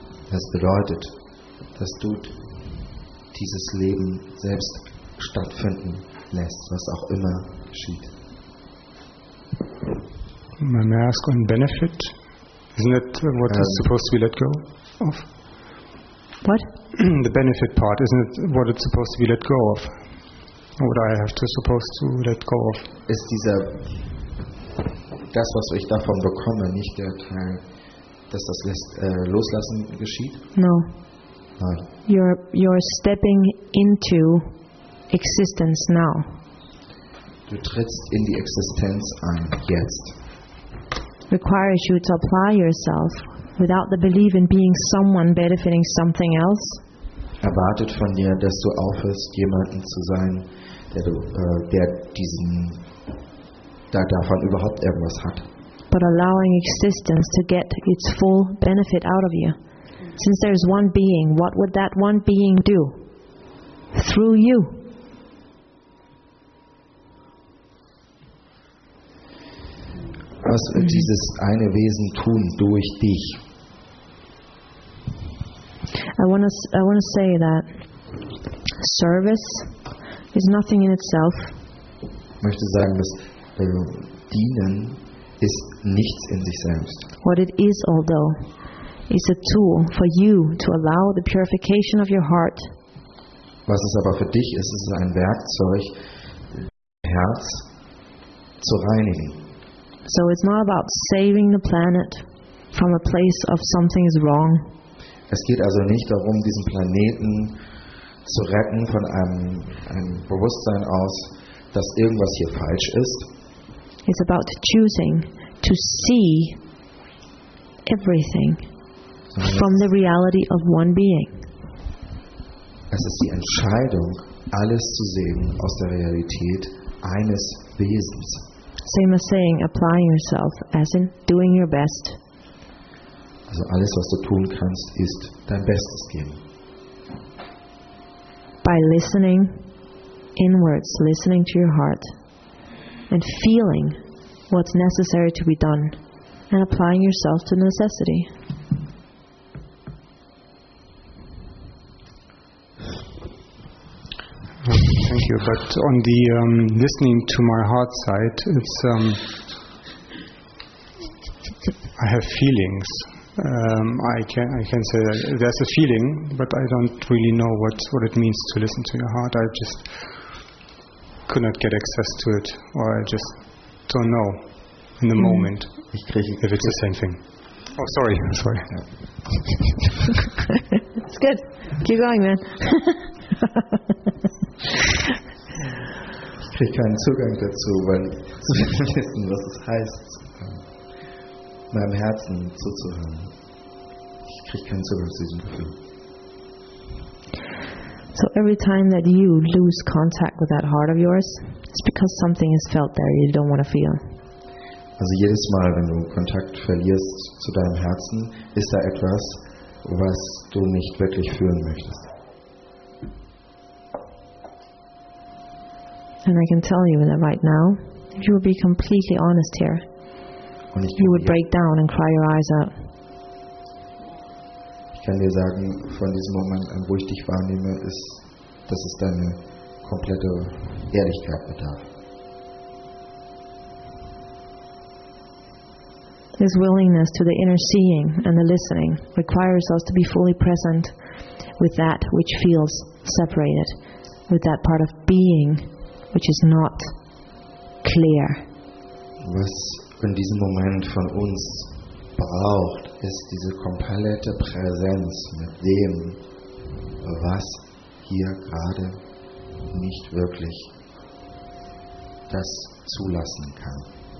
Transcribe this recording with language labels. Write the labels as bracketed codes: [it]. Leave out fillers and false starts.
[de] Das bedeutet, dass du dieses Leben selbst stattfinden lässt, was auch immer geschieht. [en] My mask on benefit, isn't it what it's supposed to be let go of? What? The benefit part, isn't it what it's supposed to be let go of? What I have to supposed to let go of? [de] Ist dieser, das was ich davon bekomme, nicht der Teil, dass das Loslassen geschieht? [en] No. [de] Nein. [en] You're stepping into existence now. [de] Du trittst in die Existenz ein, jetzt. [en] Requires you to apply yourself without the belief in being someone benefiting something else. [de] Erwartet von dir, dass du aufhörst, jemanden zu sein, der du, der diesen, da davon überhaupt irgendwas hat. [en] But allowing existence to get its full benefit out of you. Since there is one being, what would that one being do? Through you. [de] Was wird dieses eine Wesen tun durch dich? [en] I want to say that service is nothing in itself. [de] Ich möchte sagen, dass dienen ist nichts in sich selbst. [en] What it is, although, is a tool for you to allow the purification of your heart. [de] Was es aber für dich ist, ist ein Werkzeug, dein Herz zu reinigen. [en] So it's not about saving the planet from a place of something is wrong. [de] Es geht also nicht darum, diesen Planeten zu retten von einem Bewusstsein aus, dass irgendwas hier falsch ist. [en] It's about choosing to see everything from the reality of one being. [de] Es ist die Entscheidung, alles zu sehen aus der Realität eines Wesens. [en] Same as saying, applying yourself, as in doing your best. [de] Also alles, was du tun kannst, ist dein Bestes geben. [en] By listening inwards, listening to your heart, and feeling what's necessary to be done, and applying yourself to necessity. Thank you. But on the listening to my heart side, it's I have feelings. I can say that there's a feeling, but I don't really know what it means to listen to your heart. I just could not get access to it, or I just don't know in the moment if it's the same thing. Oh, sorry. It's good. Keep going, man. [de] Ich kriege keinen Zugang dazu, weil zu wissen, was es heißt, meinem Herzen zuzuhören. Ich kriege keinen Zugang zu diesem Gefühl. [en] So every time that you lose contact with that heart of yours, it's because something is felt there you don't want to feel. [de] Also jedes Mal, wenn du Kontakt verlierst zu deinem Herzen, ist da etwas, was du nicht wirklich fühlen möchtest. [en] And I can tell you that right now, if you would be completely honest here, you would break down and cry your eyes out. [de] Ich kann dir sagen, von diesem Moment an, wo ich dich wahrnehme, ist, dass es deine komplette Ehrlichkeit bedarf. [en] This willingness to the inner seeing and the listening requires us to be fully present with that which feels separated, with that part of being which is not clear. [de] Was in diesem Moment von uns braucht, ist diese komplette Präsenz mit dem, was hier gerade nicht wirklich das zulassen kann.